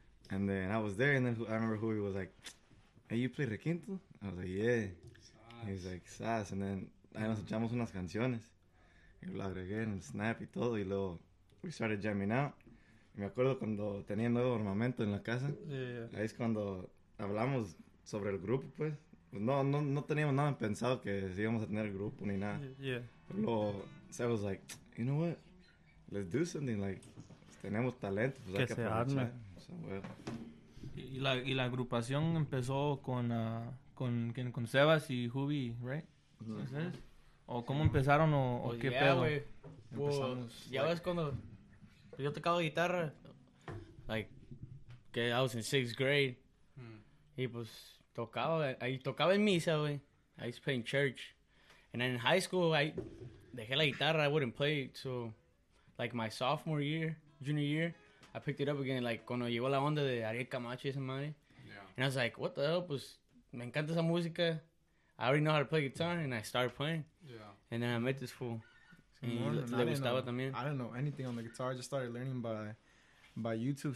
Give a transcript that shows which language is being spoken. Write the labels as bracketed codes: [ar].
[en] And then I was there, and then I remember who he was like, hey, you play requinto? I was like, yeah. He's like, sass. And then [es] ahí nos echamos unas canciones. Y lo agregué en el snap y todo. Y luego [en] we started jamming out. [es] Y me acuerdo cuando tenía nuevo armamento en la casa. [en] Yeah. [es] Ahí es cuando hablamos sobre el grupo, pues. No teníamos nada pensado que íbamos a tener grupo ni nada. [en] Yeah. [es] Pero [en] Seb was like, you know what? Let's do something. [es] Like, tenemos talento. Pues que se arme. [en] So, well. [es] Y la agrupación empezó con Sebas y Hubi, [en] right? [es] Entonces, ¿o cómo empezaron pedo? Pues, ya ves cuando yo tocaba guitarra. [en] Like, I was in sixth grade. [es] Y pues tocaba en misa, güey. [en] I used to play in church. And then in high school, I [es] dejé la guitarra. [en] I wouldn't play. So, like, my sophomore year, junior year, I picked it up again. [es] Like, cuando llegó la onda de Ariel Camacho y esa madre. [en] Yeah. And I was like, what the hell? [es] Pues, me encanta esa música. [en] I already know how to play guitar. And I started playing. Yeah. And then I met this fool. [es] Y le gustaba también. [en] I didn't know anything on the guitar. I just started learning by YouTube.